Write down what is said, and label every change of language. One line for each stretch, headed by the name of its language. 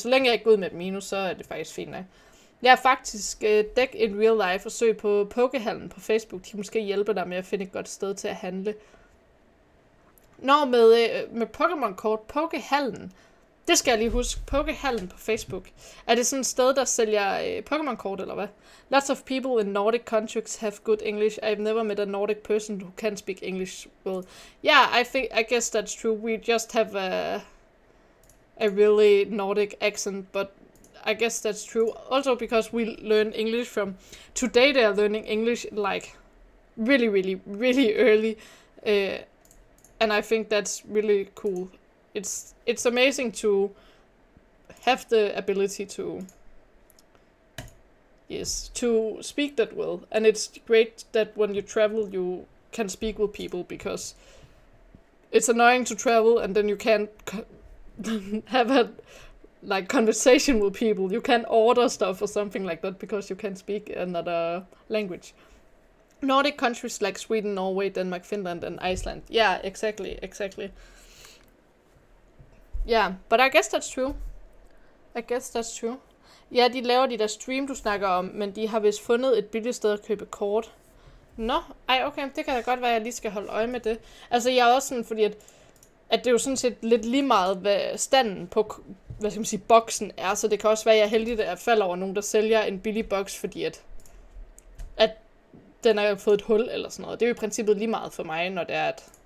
Danish: Så længe jeg ikke går ud med et minus, så er det faktisk fint. Jeg har faktisk dæk
English: in real life
Danish: og søg på Pokehallen på Facebook. De måske hjælpe dig med at finde et godt sted til at handle. Når med Pokémon-kort, Pokehallen. Det skal jeg lige huske. Pokehallen på Facebook. Er det sådan et sted, der sælger Pokémon-kort, eller hvad?
English: Lots of people in Nordic countries have good English. I've never met a Nordic person who can speak English well. Yeah, I guess that's true. We just have a really Nordic accent, but I guess that's true. Also because we learn English from... Today they are learning English, like, really, really, really early. And I think that's really cool. It's amazing to have the ability to, yes, to speak that well. And it's great that when you travel, you can speak with people, because it's annoying to travel and then you can't have a like conversation with people. You can't order stuff or something like that because you can't speak another language. Nordic countries like Sweden, Norway, Denmark, Finland and Iceland. Yeah, exactly, exactly. Ja, yeah, but I guess that's true. I guess that's true.
Danish: Ja, de laver de der stream, du snakker om, men de har vist fundet et billigt sted at købe kort. Nå, ej, okay, det kan da godt være, at jeg lige skal holde øje med det. Altså, jeg er også sådan, fordi at det er jo sådan set lidt lige meget, hvad standen på, hvad skal man sige, boksen er, så det kan også være, at jeg er heldig, at jeg falder over nogen, der sælger en billig boks, fordi at den har fået et hul eller sådan noget. Det er jo i princippet lige meget for mig, når det er, at...